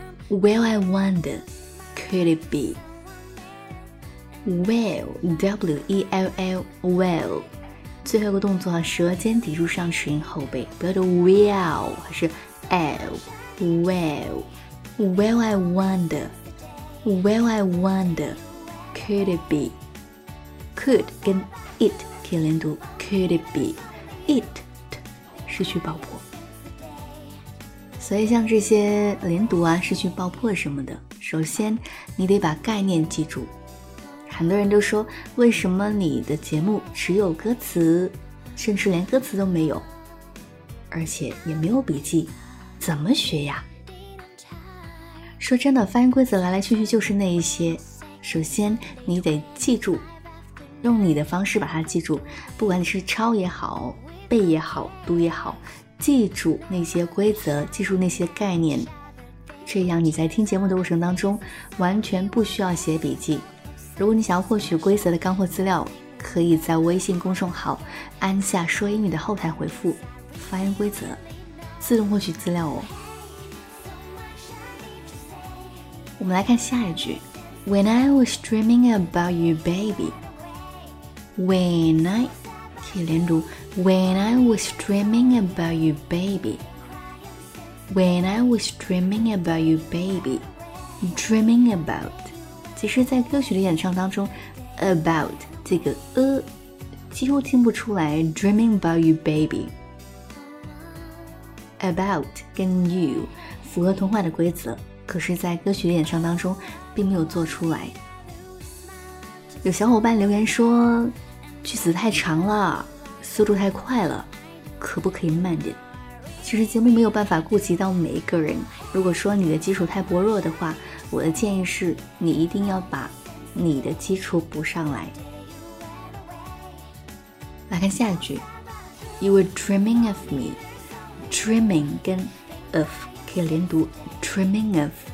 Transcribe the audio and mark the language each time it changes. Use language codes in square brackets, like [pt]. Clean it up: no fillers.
[en] Well, I wonder, could it be? Well, W-E-L-L, well. [zh] 最后一个动作，舌尖抵住上唇后背，不要读 well, 还是 L, well. [en] Well, I wonder, well, I wonder, could it be? Could 跟 it [zh] 可以连读 [en] could it be? [zh] It 失去爆破。所以像这些连读啊、失去爆破什么的，首先你得把概念记住。很多人都说，为什么你的节目只有歌词，甚至连歌词都没有，而且也没有笔记，怎么学呀？说真的，发音规则来来去去就是那一些。首先你得记住，用你的方式把它记住，不管你是抄也好、背也好、读也好，记住那些规则，记住那些概念，这样你在听节目的过程当中完全不需要写笔记。如果你想要获取规则的干货资料，可以在微信公众号安夏说英语的后台回复发音规则，自动获取资料哦。我们来看下一句， [en] When I was dreaming about you baby， When I [zh] 可以连读 [en] When I was dreaming about you, baby. When I was dreaming about you, baby. Dreaming about. [zh] 其实在歌曲的演唱当中 about 这个几乎听不出来 [en] dreaming about you, baby. [zh] About 跟 you 符合童话的规则，可是在歌曲的演唱当中并没有做出来。有小伙伴留言说，句子太长了，速度太快了，可不可以慢点？其实节目没有办法顾及到每一个人，如果说你的基础太薄弱的话，我的建议是你一定要把你的基础补上来。来看下一句， [en] You were dreaming of me. Dreaming 跟 of [zh] 可以连读 [en] Dreaming of.